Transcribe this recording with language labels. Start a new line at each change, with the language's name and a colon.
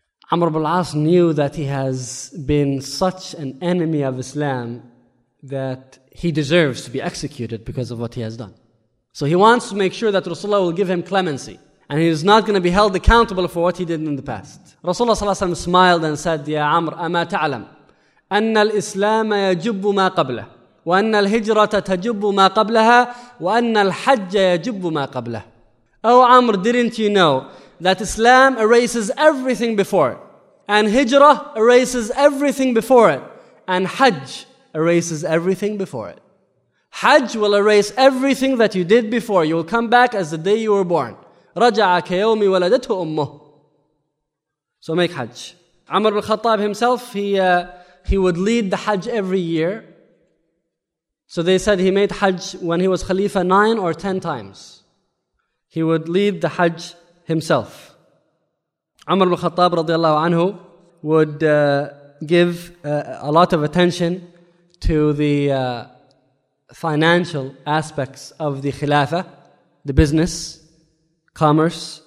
English: Amr ibn al-As knew that he has been such an enemy of Islam that he deserves to be executed because of what he has done. So he wants to make sure that Rasulullah will give him clemency, and he is not going to be held accountable for what he did in the past.
Arabic: Rasulullah sallallahu alayhi wa sallam
English: smiled and said,
Arabic: Ya Amr, أما تعلم أن الإسلام يجب ما قبله وأن الهجرة تجب ما قبلها وأن الحج يجب ما قبله.
English: Oh Amr, didn't you know that Islam erases everything before it, and Hijrah erases everything before it, and Hajj erases everything before it. Hajj will erase everything that you did before. You will come back as the day you were born.
Arabic: رَجَعَ كَيَوْمِ وَلَدَتْهُ أُمُّهُ.
English: So make Hajj. Amr ibn al-Khattab himself, he would lead the Hajj every year. So they said he made Hajj when he was Khalifa 9 or 10 times. He would lead the Hajj himself. Amr ibn al-Khattab radiallahu anhu would give a lot of attention to the financial aspects of the Khilafah, the business, commerce.